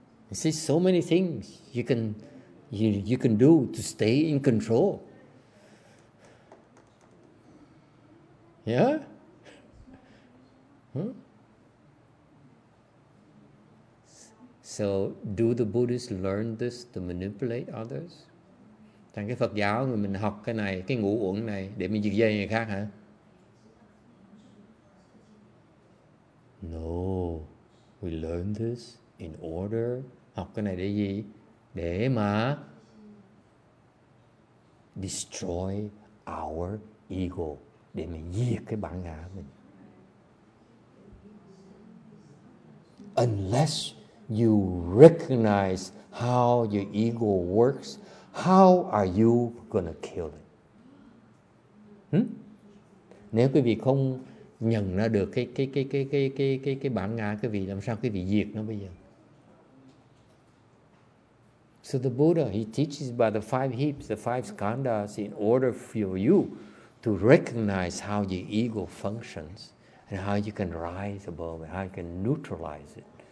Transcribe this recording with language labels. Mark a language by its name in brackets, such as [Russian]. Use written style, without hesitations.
[English] You see, so many things you can do to stay in control. Yeah? Hmm? So, do the Buddhists learn this to manipulate others? [Vietnamese] Thành cái Phật giáo người mình học cái này, cái ngũ uẩn này để mình giật dây người khác hả? [English] No, we learn this in order. [Vietnamese] Học cái này để gì? Để mà [English] destroy our ego, [Vietnamese] để mình diệt cái bản ngã mình. [English] Unless you recognize how your ego works, how are you gonna kill it? [Vietnamese] Nếu quý vị không nhận ra được cái bản ngã quý vị, làm sao quý vị diệt nó bây giờ? [English] So the Buddha, he teaches about the five heaps, the five skandhas, in order for you to recognize how your ego functions and how you can rise above it, how you can neutralize it.